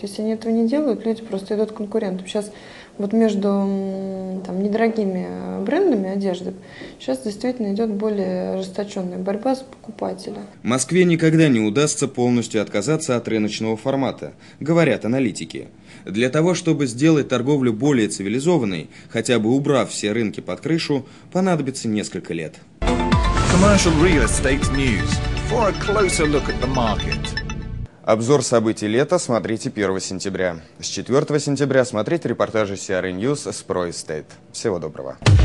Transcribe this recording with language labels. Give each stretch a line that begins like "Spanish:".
Russian: Если они этого не делают, люди просто идут к конкурентам. Сейчас вот между там, недорогими брендами одежды, сейчас действительно идет более ожесточенная борьба за покупателя. Москве никогда не удастся полностью отказаться от рыночного формата, говорят аналитики. Для того, чтобы сделать торговлю более цивилизованной, хотя бы убрав все рынки под крышу, понадобится несколько лет.
English: Commercial Real Estate News. For a closer look at the market.
Russian: Обзор событий лета смотрите 1 сентября. С 4 сентября смотрите репортажи CR News с ProEstate. Всего доброго.